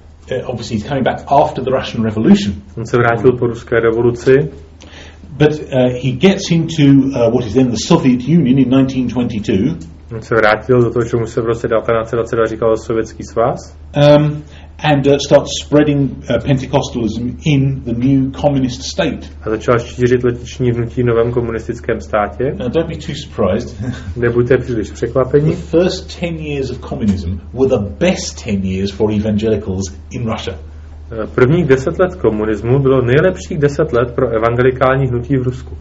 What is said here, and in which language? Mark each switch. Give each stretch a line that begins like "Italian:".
English: He obviously he's coming back after the Russian Revolution.
Czech: On se vrátil po ruské revoluci.
English: But he gets into what is then the Soviet Union in 1922.
Czech: On se vrátil do toho, čemu se v roce 1922 říkalo Sovětský svaz.
English: And starts spreading Pentecostalism in the new communist state.
Czech: A začal šířit letniční hnutí v novém komunistickém státě.
English: Now, don't be too surprised.
Czech: Nebuďte příliš překvapení.
English: The first 10 years of communism were the best 10 years for evangelicals in Russia.
Czech: Prvních 10 let komunismu bylo nejlepších 10 let pro evangelikální hnutí v Rusku.